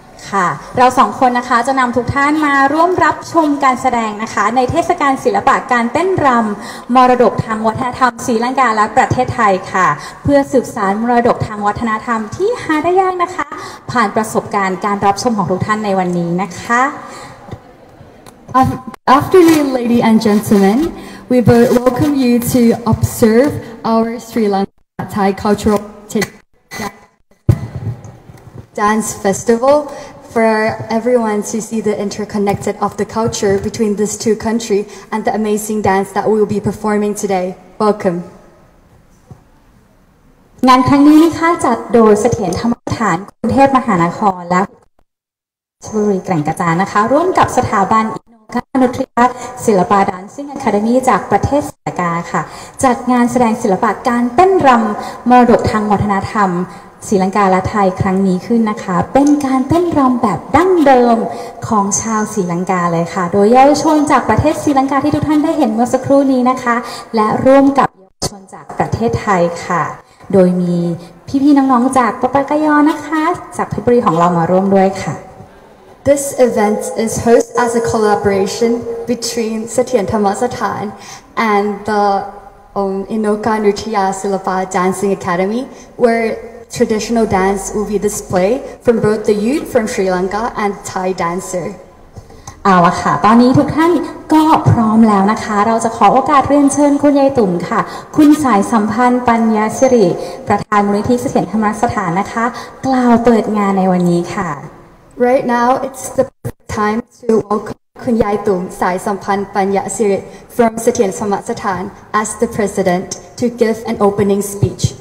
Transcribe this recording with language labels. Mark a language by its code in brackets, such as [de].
[th] ค่ะเราสองคนนะคะจะนำทุกท่านมาร่วมรับชมการแสดงนะคะในเทศกาลศิลปะการเต้นรำมรดกทางวัฒนธรรมศรีลังกาและประเทศไทยค่ะเพื่อสืบสานมรดกทางวัฒนธรรมที่หาได้ยากนะคะผ่านประสบการณ์การรับชมของทุกท่านในวันนี้นะคะ [en] Afternoon ladies and gentlemen we welcome you to observe our Sri Lanka Thai cultural dance festival for everyone to see the interconnected of the culture between these two countries and the amazing dance that we will be performing today. Welcome. [th] งานครั้งนี้นะคะจัดโดยเสถียรธรรมสถานกรุงเทพมหานครและชลบุรีแก่งกระจานนะคะร่วมกับสถาบันอินโนคานุทริยาศิลปะดันซิ่งอะคาเดมีจากประเทศสิงคโปร์ค่ะจัดงานแสดงศิลปะการเต้นรำมรดกทางวัฒนธรรม ศรีลังกาและไทยครั้งนี้ขึ้นนะคะเป็นการเต้นรำแบบดั้งเดิมของชาวศรีลังกาเลยค่ะโดยเยาวชนจากประเทศศรีลังกาที่ทุกท่านได้เห็นเมื่อสักครู่นี้นะคะและร่วมกับเยาวชนจากประเทศไทยค่ะโดยมีพี่ๆน้องๆจากปปกยนะคะจากเพชรบุรีของเรามาร่วมด้วยค่ะ [en] This event is host as a collaboration between เสถียรธรรมสถาน and the Inoka Nutria Silapa Dancing Academy whereTraditional dance will be displayed from both the youth from Sri Lanka and Thai dancer. [th] เอาละค่ะตอนนี้ทุกท่านก็พร้อมแล้วนะคะเราจะขอโอกาสเรียนเชิญคุณยายตุ่มค่ะคุณสายสัมพันธ์ปัญญาสิริประธานมูลนิธิเสถียรธรรมสถานนะคะกล่าวเปิดงานในวันนี้ค่ะ [en] Right now it's the time to welcome คุณยายตุ่มสายสัมพันธ์ปัญญาสิริ from เสถียรธรรมสถาน as the president to give an opening speech.